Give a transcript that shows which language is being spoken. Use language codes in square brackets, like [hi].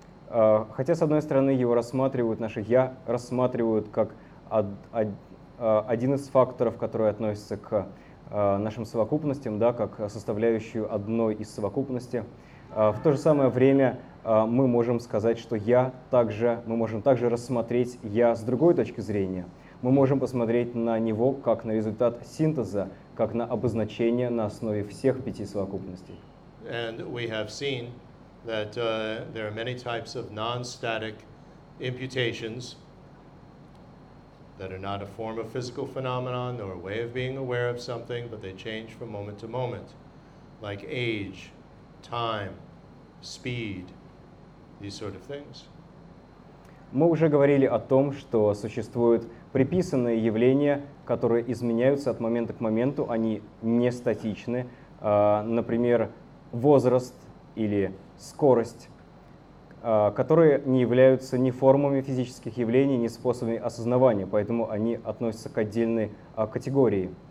[ru] Хотя с одной стороны его рассматривают, наше я рассматривают как один из факторов, который относится к нашим совокупностям, да, как составляющую одной из совокупностей. В то же самое время мы можем сказать, что я также, мы можем также рассмотреть я с другой точки зрения. Мы можем посмотреть на него как на результат синтеза, как на обозначение на основе всех пяти совокупностей. [en] And we have seen that there are many types of non-static imputations that are not a form of physical phenomenon or a way of being aware of something, but they change from moment to moment, like age, time, speed, these sort of things. [ru] Мы уже говорили о том, что существуют приписанные явления, которые изменяются от момента к моменту, они не статичны. Например, возраст или скорость, которые не являются ни формами физических явлений, ни способами осознавания, поэтому они относятся к отдельной категории.